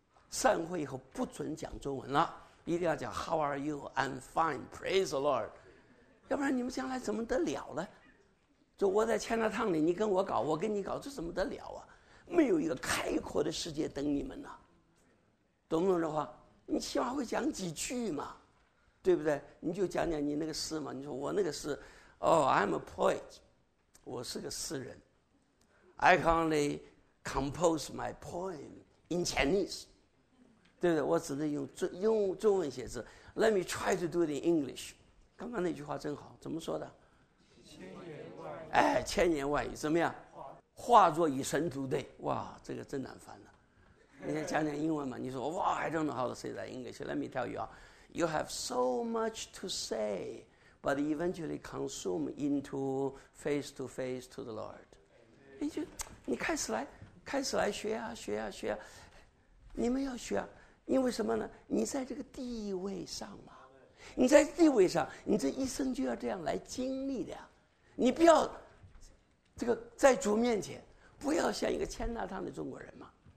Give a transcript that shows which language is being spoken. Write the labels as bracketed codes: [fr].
[zh] 散会以后不准讲中文了，一定要讲 [en] How are you? I'm fine. Praise the Lord. [zh] 要不然你们将来怎么得了呢？就我在千纳趟里，你跟我搞，我跟你搞，这怎么得了啊？没有一个开阔的世界等你们呢，懂不懂这话？你起码会讲几句嘛，对不对？你就讲讲你那个诗嘛。你说我那个诗，哦、 [en] oh, ，I'm a poet， [zh] 我是个诗人。 [en] I can only compose my poem in Chinese. [zh] 对不对？我只能用中文写字。 [en] Let me try to do it in English. [zh] 刚刚那句话真好，怎么说的？千言万语怎么样？化作以神独对。哇，这个真难翻了。你先讲讲英文嘛，你说哇 [en] I don't know how to say that in English. Let me tell you, you have so much to say, but eventually consume into face to face to the Lord. [zh] 你开始来学啊学啊学啊，你们要学啊，因为什么呢？你在这个地位上嘛，你在地位上，你这一生就要这样来经历的呀。你不要这个在主面前不要像一个牵拉烫的中国人嘛。